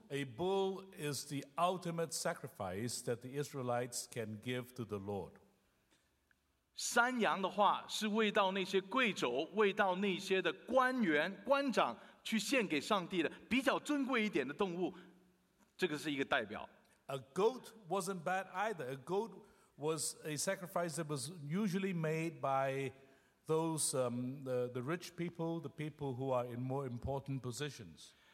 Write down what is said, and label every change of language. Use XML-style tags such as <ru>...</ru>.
<en>a bull is the ultimate sacrifice that the Israelites can give to the Lord.</en> <zh>山羊的话是为到那些贵族、为到那些的官员、官长去献给上帝的，比较尊贵一点的动物，这个是一个代表。A</zh> <en>goat wasn't bad either. A goat was a sacrifice that was usually made by those the rich people, the people who are in more important positions.</en>